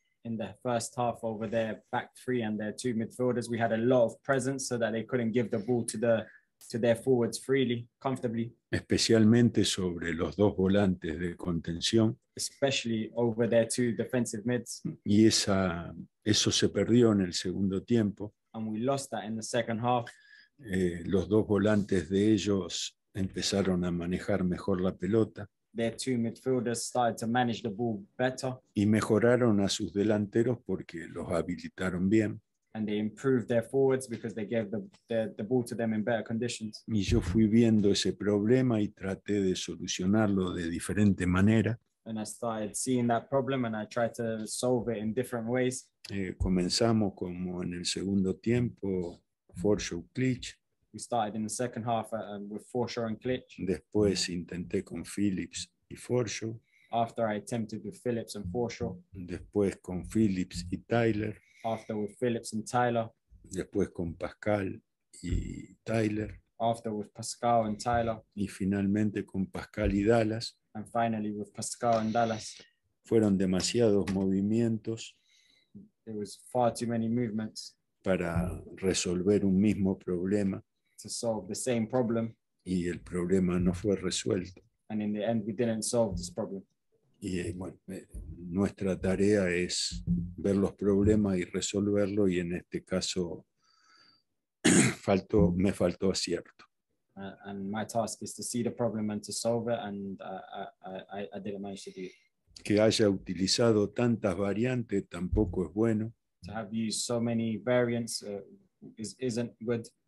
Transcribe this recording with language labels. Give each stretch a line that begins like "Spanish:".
English: In the first half, over their back three and their two midfielders, we had a lot of presence so that they couldn't give the ball to the to their forwards freely, comfortably,
Spanish: Especialmente sobre los dos volantes de contención.
English: especially over their two defensive mids.
Spanish: Y eso se perdió en el segundo tiempo.
English: And we lost that in the second half.
Spanish: Los dos volantes de ellos empezaron a manejar mejor la pelota
English: Their two midfielders started to manage the ball better.
Spanish: y mejoraron a sus delanteros porque los habilitaron bien.
English: And they improved their forwards because they gave the ball to them in better conditions.
Spanish: Y yo fui viendo ese problema y traté de solucionarlo de diferente manera.
English: And I started seeing that problem and I tried to solve it in different ways.
Spanish: Comenzamos como en el segundo tiempo, Forshow Klich.
English: We started in the second half with Forshaw and Klitsch.
Spanish: Después intenté con Phillips y Forshow.
English: After I attempted with Phillips and Forshaw.
Spanish: Después con Phillips y Tyler.
English: After with Phillips and Tyler,
Spanish: Después con Pascal y Tyler.
English: after with Pascal and Tyler,
Spanish: Y finalmente con Pascal y Dallas.
English: and finally with Pascal and Dallas,
Spanish: Fueron demasiados movimientos
English: there was far too many movements
Spanish: para resolver un mismo problema
English: to solve the same problem,
Spanish: y el problema no fue resuelto.
English: and in the end, we didn't solve this problem.
Spanish: Y bueno, nuestra tarea es ver los problemas y resolverlo y en este caso me faltó acierto.
English: And my task is to see the problem and to solve it, and I didn't manage to do it.
Spanish: Que haya utilizado tantas variantes tampoco es bueno.
English: To have used so many variants isn't good.